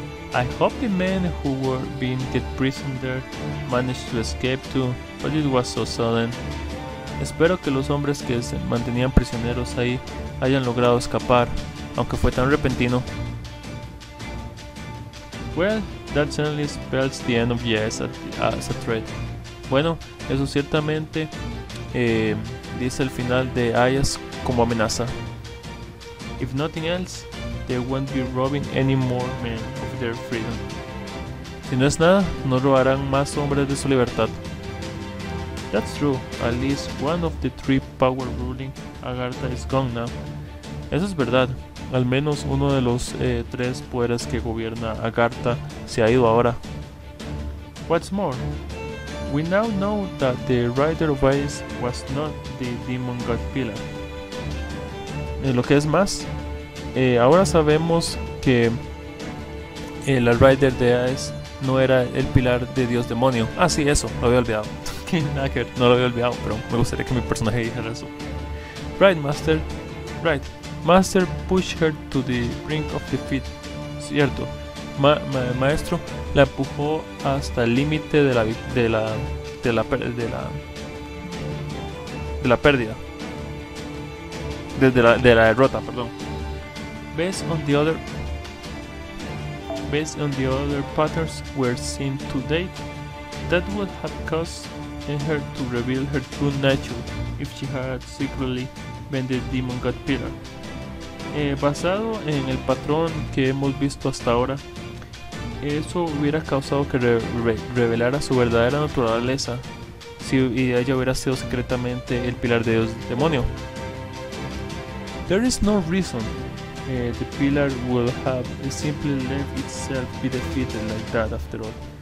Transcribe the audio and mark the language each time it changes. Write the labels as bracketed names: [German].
[English] I hope the men who were being kept prisoner managed to escape too, but it was so sudden. [Spanish] Espero que los hombres que se mantenían prisioneros ahí hayan logrado escapar, aunque fue tan repentino. [English] Well, that certainly spells the end of yes as a threat. [Spanish] Bueno, eso ciertamente dice el final de Ayas como amenaza. [English] If nothing else, they won't be robbing any more men of their freedom. [Spanish] Si no es nada, no robarán más hombres de su libertad. [English] That's true. At least one of the three power ruling Agartha is gone now. [Spanish] Eso es verdad. Al menos uno de los tres poderes que gobierna Agartha se ha ido ahora. [English] What's more, we now know that the Rider of Ice was not the Demon God Pillar. [Spanish] Lo que es más, ahora sabemos que el Rider de Ice no era el pilar de Dios Demonio. Ah, sí, eso, lo había olvidado. No lo había olvidado, pero me gustaría que mi personaje dijera eso. [English] Right, Master. Right. Master pushed her to the brink of defeat. [Spanish] Cierto. Maestro la empujó hasta el límite de la pérdida. De la derrota, perdón. [English] Based on the other patterns we're seeing to date, that would have caused her to reveal her true nature if she had secretly been the Demon God Pillar. [Spanish] Basado en el patrón que hemos visto hasta ahora, eso hubiera causado que revelara su verdadera naturaleza si ella hubiera sido secretamente el pilar de Dios Demonio. [English] There is no reason the pillar would have simply left itself be defeated like that after all.